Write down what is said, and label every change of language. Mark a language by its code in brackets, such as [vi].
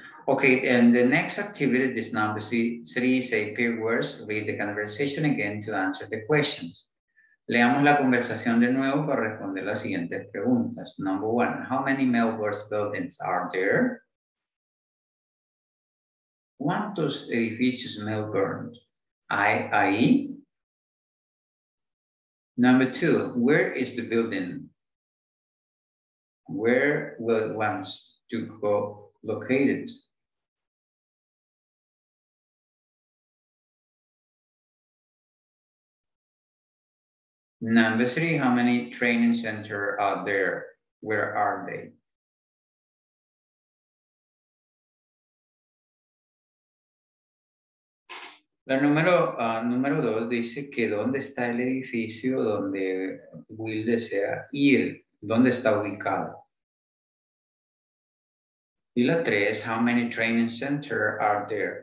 [en] Okay, and the next activity is number three, say pair words, read the conversation again to answer the questions. [es] Leamos la conversación de nuevo para responder las siguientes preguntas. [en] Number one, how many Melbourne buildings are there? [es] ¿Cuántos edificios Melbourne hay ahí? [en] Number two, where is the building? Where will it want to go located? Number three, how many training centers are there? Where are they? [es] La número dos dice que dónde está el edificio donde Will desea ir, dónde está ubicado. Y la tres, [en] how many training centers are there?